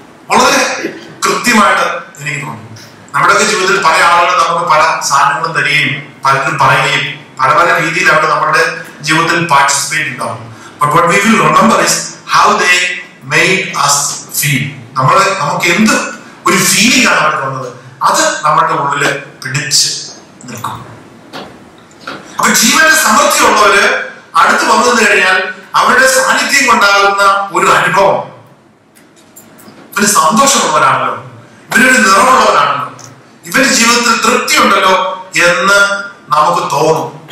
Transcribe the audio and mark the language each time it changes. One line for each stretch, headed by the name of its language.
Malayalam: വളരെ കൃത്യമായിട്ട് എനിക്ക് തോന്നുന്നു. നമ്മുടെ ജീവിതത്തിൽ പല ആളുകളും നമുക്ക് പല സാധനങ്ങളും തരികയും പലരും പറയുകയും പല പല രീതിയിൽ അവർ നമ്മുടെ ജീവിതത്തിൽ പാർട്ടിസിപ്പേറ്റ് ഉണ്ടാവും.
English: But what we will remember is how they made us feel.
Malayalam: നമ്മളെ നമുക്ക് എന്ത് ഒരു ഫീലിംഗ് ആണ് അവർ തന്നത്, അത് നമ്മുടെ ഉള്ളിൽ പിടിച്ച് നിൽക്കും. അപ്പൊ ജീവന്റെ സമൃദ്ധി ഉള്ളവര് അടുത്ത് വന്നു കഴിഞ്ഞാൽ അവരുടെ സാന്നിധ്യം കൊണ്ടാകുന്ന ഒരു അനുഭവം, ഇവര് സന്തോഷമുള്ളവരാണല്ലോ, ഇവരൊരു നിറമുള്ളവരാണല്ലോ, ഇവര് ജീവിതത്തിൽ തൃപ്തി ഉണ്ടല്ലോ എന്ന് നമുക്ക് തോന്നും.